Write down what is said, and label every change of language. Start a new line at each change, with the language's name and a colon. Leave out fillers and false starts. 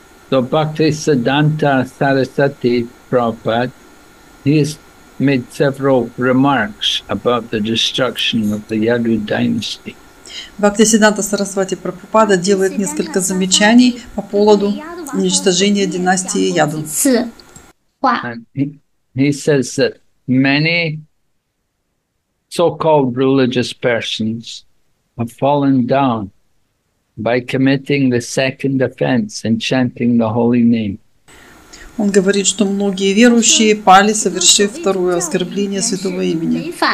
English: So Bhaktisiddhanta Sarasvati Prabhupada, he has made several remarks about the destruction of the Yadu dynasty.
Russian: Бхактисиддханта Сарасвати Прабхупада делает несколько замечаний по поводу уничтожения династии Яду.
English: And he says that many so-called religious persons have fallen down by committing the second offense and chanting the holy name.
Russian: Он говорит, что многие верующие пали, совершив второе оскорбление святого имени.